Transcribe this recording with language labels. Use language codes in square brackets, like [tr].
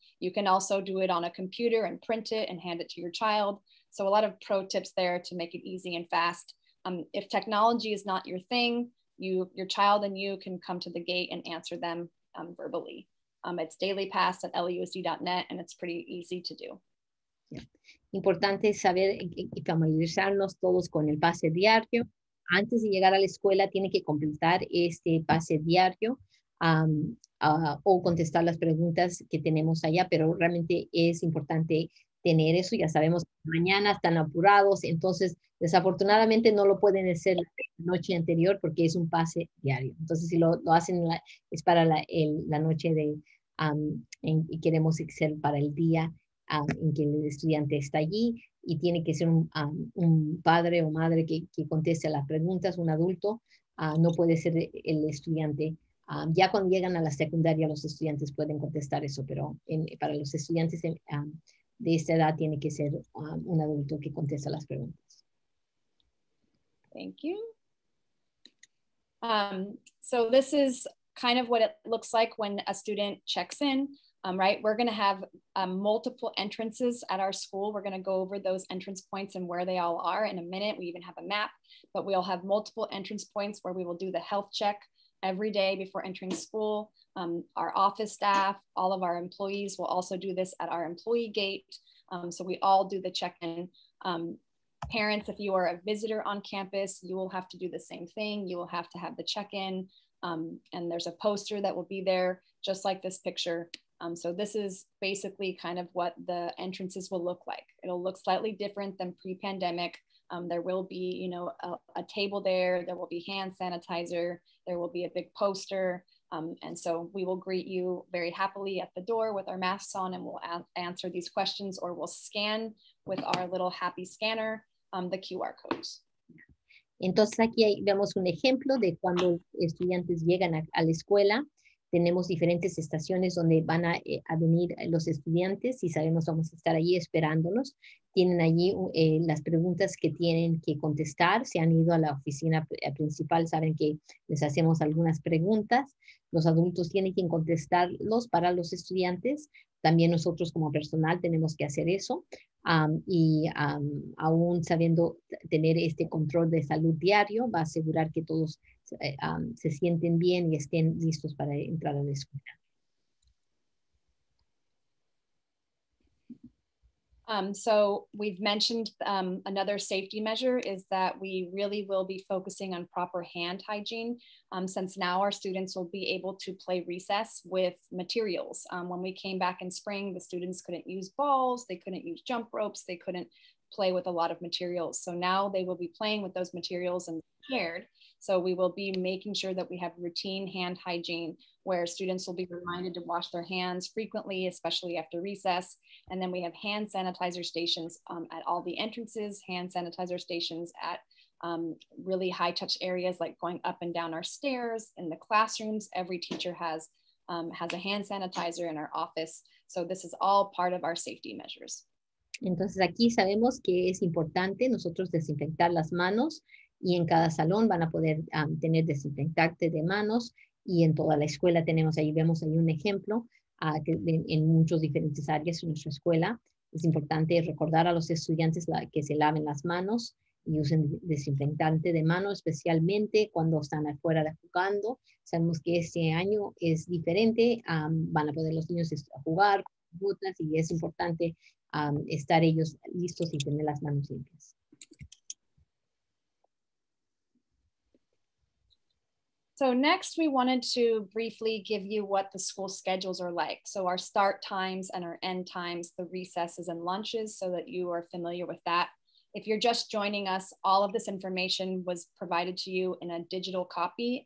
[en] You can also do it on a computer and print it and hand it to your child. So a lot of pro tips there to make it easy and fast. If technology is not your thing, your child and you can come to the gate and answer them verbally. It's dailypass@lusd.net, and it's pretty easy to do. [es] Importante saber y familiarizarnos todos con el pase diario. Antes de llegar a la escuela, tiene que completar este pase diario o contestar las preguntas que tenemos allá, pero realmente es importante tener eso. Ya sabemos que mañana están apurados, entonces desafortunadamente no lo pueden hacer la noche anterior porque es un pase diario. Entonces, si lo hacen, es para la noche de, y queremos excel para el día en que el estudiante está allí, y tiene que ser un padre o madre que conteste las preguntas, un adulto, no puede ser el estudiante. Ya cuando llegan a la secundaria, los estudiantes pueden contestar eso, pero para los estudiantes de esta edad, tiene que ser un adulto que conteste las preguntas. [en] Thank you. So this is kind of what it looks like when a student checks in. Right, we're going to have multiple entrances at our school. We're going to go over those entrance points and where they all are in a minute. We even have a map, but we'll have multiple entrance points where we will do the health check every day before entering school. Our office staff, all of our employees will also do this at our employee gate. So we all do the check-in. Parents, if you are a visitor on campus, you will have to do the same thing. You will have to have the check-in. And there's a poster that will be there, just like this picture. So this is basically kind of what the entrances will look like. It'll look slightly different than pre-pandemic. There will be, you know, a table there. There will be hand sanitizer. There will be a big poster. And so we will greet you very happily at the door with our masks on, and we'll answer these questions, or we'll scan with our little happy scanner the QR codes. [es] Entonces aquí vemos un ejemplo de cuando estudiantes llegan a la escuela. Tenemos diferentes estaciones donde van a venir los estudiantes, y sabemos vamos a estar allí esperándolos. Tienen allí las preguntas que tienen que contestar. Si han ido a la oficina principal, saben que les hacemos algunas preguntas. Los adultos tienen que contestarlos para los estudiantes. También nosotros como personal tenemos que hacer eso. Aún sabiendo tener este control de salud diario, va a asegurar que todos se sienten bien y estén listos para entrar a la escuela. [en] So we've mentioned another safety measure is that we really will be focusing on proper hand hygiene, since now our students will be able to play recess with materials. When we came back in spring, the students couldn't use balls, they couldn't use jump ropes, they couldn't play with a lot of materials. So now they will be playing with those materials and prepared. So we will be making sure that we have routine hand hygiene where students will be reminded to wash their hands frequently, especially after recess. And then we have hand sanitizer stations at all the entrances, hand sanitizer stations at really high touch areas like going up and down our stairs, in the classrooms. Every teacher has a hand sanitizer in our office. So this is all part of our safety measures. [es] Entonces aquí sabemos que es importante nosotros desinfectar las manos, y en cada salón van a poder tener desinfectante de manos, y en toda la escuela tenemos ahí, vemos ahí un ejemplo en muchos diferentes áreas en nuestra escuela. Es importante recordar a los estudiantes que se laven las manos y usen desinfectante de mano, especialmente cuando están afuera jugando. Sabemos que este año es diferente, van a poder los niños jugar con botas, y es importante estar ellos listos y tener las manos limpias. [en] So next we wanted to briefly give you what the school schedules are like. So our start times and our end times, the recesses and lunches, so that you are familiar with that. If you're just joining us, all of this information was provided to you in a digital copy.